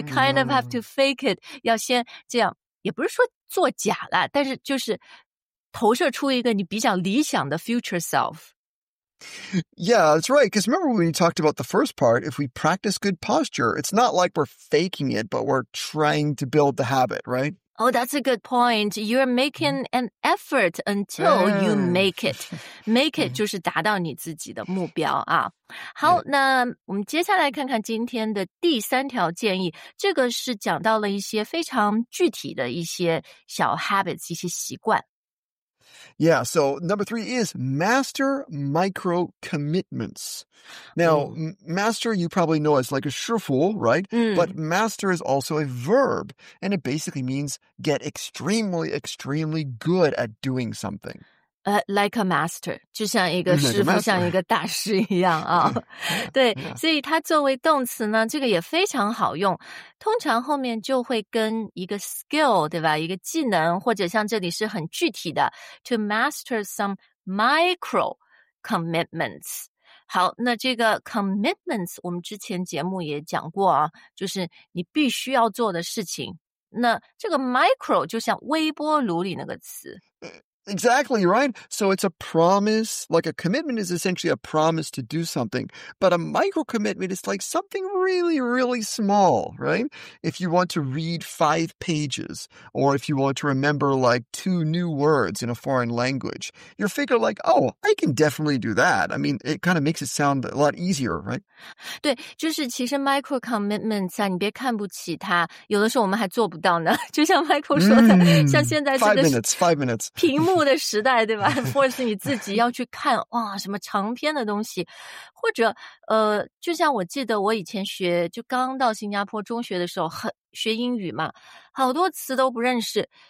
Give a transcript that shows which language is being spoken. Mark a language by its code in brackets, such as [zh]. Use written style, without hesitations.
[en] You kind of have to fake it， [zh] 要先这样，也不是说做假啦，但是就是投射出一个你比较理想的 [en] future self。 Yeah, that's right. Because remember when we talked about the first part, if we practice good posture, it's not like we're faking it, but we're trying to build the habit, right? Oh, that's a good point. You're making an effort until you make it. Make it [zh] 就是达到你自己的目标啊。好，那我们接下来看看今天的第三条建议。这个是讲到了一些非常具体的一些小 habits, 一些习惯。 [en] Yeah. So number three is master micro commitments. Now, master, you probably know as like a shuffle, right? Mm. But master is also a verb. And it basically means get extremely, extremely good at doing something. Like a master, [zh] 就像一个师傅、 [en] like、 [zh] 像一个大师一样啊。对、yeah. 所以它作为动词呢这个也非常好用。通常后面就会跟一个 skill, 对吧一个技能或者像这里是很具体的 [en] to master some micro commitments。 [zh] 好那这个 commitments, 我们之前节目也讲过啊就是你必须要做的事情。那这个 micro 就像微波炉里那个词。 [en] Exactly, right? So it's a promise, like a commitment is essentially a promise to do something, but a micro commitment is like something really, really small, right? If you want to read 5 pages, or if you want to remember like 2 new words in a foreign language, you figure like, oh, I can definitely do that. I mean, it kind of makes it sound a lot easier, right? [zh] 对,就是其实 micro commitments, 啊,你别看不起它,有的时候我们还做不到呢,就像 Michael 说的,像现在这个 [en] 5 minutes, 5 minutes. [zh] 屏幕的时代对吧 ？Force 你自己要去看哇，什么长篇的东西，或者就像我记得我以前学，就刚到新加坡中学的时候，很学英语嘛，好多词都不认识。